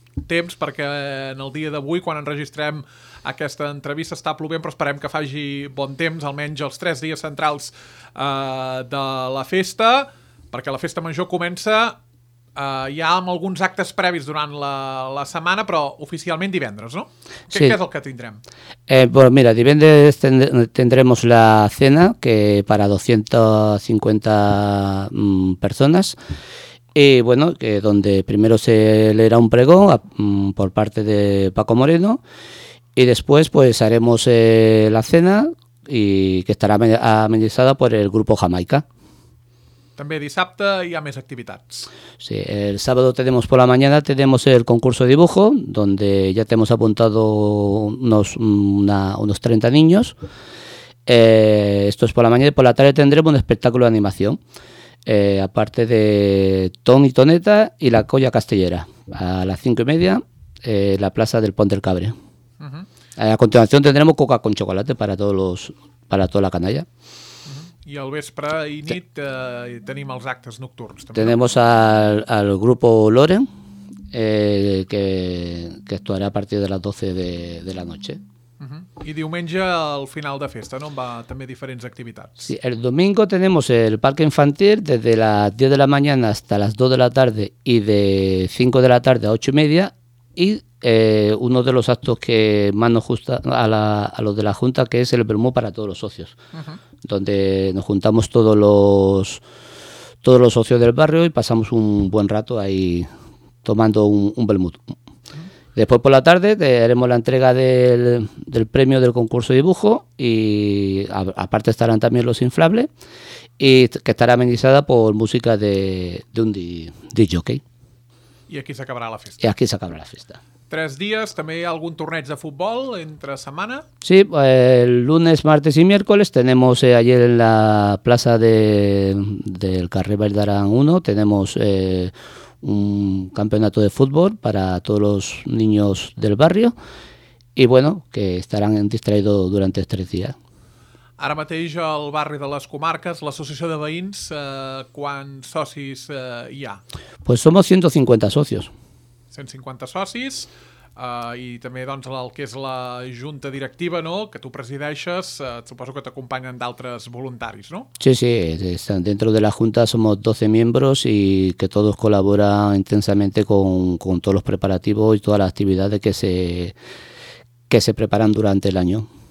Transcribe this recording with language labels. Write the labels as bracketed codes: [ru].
[ca] Temps, perquè en el dia d'avui, quan enregistrem aquesta entrevista, està plovent, però esperem que faci bon temps, almenys els tres dies centrals de la festa, perquè la festa major comença ja amb alguns actes previs durant la setmana, però oficialment divendres, no? Sí. Què és el que tindrem? [es] Pues mira, divendres tendremos la cena, que para 250 personas, y bueno, que donde primero se leerá un pregón por parte de Paco Moreno, y después pues haremos la cena, y que estará amenizada por el grupo Jamaica. [ca] També dissabte hi ha més activitats. [es] Sí, el sábado tenemos por la mañana tenemos el concurso de dibujo, donde ya tenemos apuntado unos 30 niños. Esto es por la mañana, y por la tarde tendremos un espectáculo de animación. Aparte de Tom y Toneta y la colla castellera, a las 5:30, la plaza del Pont del Cabre. Uh-huh. A continuación tendremos coca con chocolate para toda la canalla. [ca] Uh-huh. I al vespre i nit tenim els actes nocturns. També. [es] Tenemos al grupo Loren, que actuarà a partir de las 12 de la noche. [ca] Y diumenge al final de festa, ¿no? Va també diferents activitats. [es] Sí, el domingo tenemos el parque infantil desde las 10 de la mañana hasta las 2 de la tarde y de 5 de la tarde a 8:30, y uno de los actos que más nos gusta a los de la Junta, que es el vermú para todos los socios. Uh-huh. Donde nos juntamos todos los socios del barrio y pasamos un buen rato ahí tomando un vermú. Después por la tarde haremos la entrega del premio del concurso de dibujo, y aparte estarán también los inflables, y que estará amenizada por música de un DJ. [ca] Y aquí s'acabarà la festa. Y aquí s'acabarà la festa. Tres dies, també hi ha algun torneig de futbol entre setmana? [es] Sí, el lunes, martes y miércoles tenemos ayer en la plaça del carrer Valdarán 1, tenemos un campeonato de fútbol para todos los niños del barrio, y bueno, que estarán distraídos durante tres días. [ca] Ara mateix al barri de les Comarques, l'associació de veïns, quants socis hi ha? [es] Pues somos 150 socios. [ca] 150 socis, i també doncs el que és la junta directiva, no?, que tu presideixes, suposo que t'acompanyen d'altres voluntaris, no? [es] Sí, sí, dentro de la junta somos 12 miembros, y que todos colaboran intensamente con todos los preparativos y todas las actividades que se preparan durante el año.